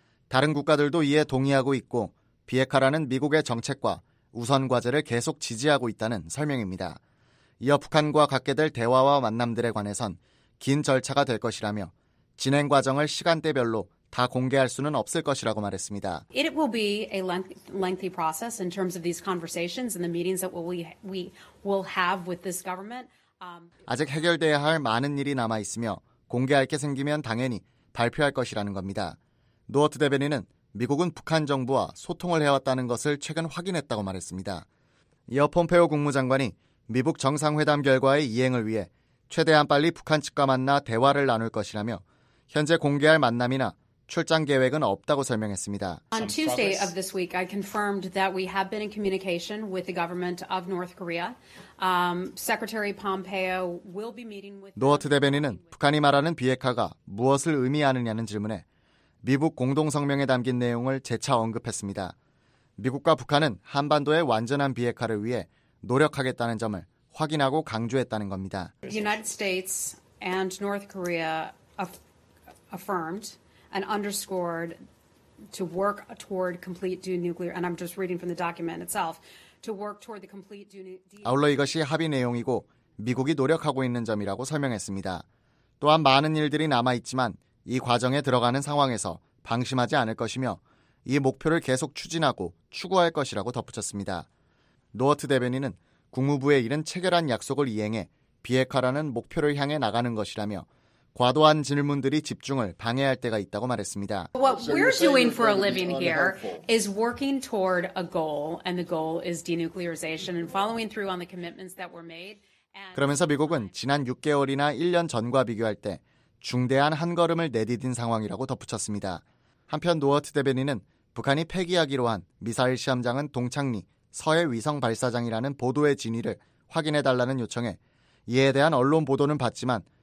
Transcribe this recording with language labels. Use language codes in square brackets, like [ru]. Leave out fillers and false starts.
[ko] 다른 국가들도 이에 동의하고 있고 비핵화라는 미국의 정책과 우선 과제를 계속 지지하고 있다는 설명입니다. 이어 북한과 갖게 될 대화와 만남들에 관해선 긴 절차가 될 것이라며 진행 과정을 시간대별로 다 공개할 수는 없을 것이라고 말했습니다. [en] It will be a lengthy process in terms of these conversations and the meetings that we will have with this government. [ko] 아직 해결돼야 할 많은 일이 남아 있으며 공개할 게 생기면 당연히 발표할 것이라는 겁니다. 노어트 대변인은 미국은 북한 정부와 소통을 해왔다는 것을 최근 확인했다고 말했습니다. 이어 폼페이오 국무장관이 미북 정상회담 결과의 이행을 위해 최대한 빨리 북한 측과 만나 대화를 나눌 것이라며 현재 공개할 만남이나 출장 계획은 없다고 설명했습니다. [en] On Tuesday of this week, I confirmed that we have been in communication with the government of North Korea. Secretary Pompeo will be meeting with. [ko] 노어트 대변인은 북한이 말하는 비핵화가 무엇을 의미하느냐는 질문에 미북 공동성명에 담긴 내용을 재차 언급했습니다. 미국과 북한은 한반도의 완전한 비핵화를 위해 노력하겠다는 점을 확인하고 강조했다는 겁니다. [en] The United States and North Korea affirmed. And underscored to work toward complete denuclear. And I'm just reading from the document itself to work toward the complete denuclear. [ko] 아울러 이것이 합의 내용이고 미국이 노력하고 있는 점이라고 설명했습니다. 또한 많은 일들이 남아 있지만 이 과정에 들어가는 상황에서 방심하지 않을 것이며 이 목표를 계속 추진하고 추구할 것이라고 덧붙였습니다. 노어트 대변인은 국무부의 이른 체결한 약속을 이행해 비핵화라는 목표를 향해 나가는 것이라며. 과도한 질문들이 집중을 방해할 때가 있다고 말했습니다. [en] What we're doing for a living here is working toward a goal, and the goal is denuclearization and following through on the commitments that were made. [ko] 그러면서 미국은 지난 6개월이나 1년 전과 비교할 때 중대한 한 걸음을 내디딘 상황이라고 덧붙였습니다. 한편 노어트 대변인은 북한이 폐기하기로 한 미사일 시험장은 동창리 서해 위성 발사장이라는 보도의 진위를 확인해 달라는 요청에 이에 대한 언론 보도는 봤지만.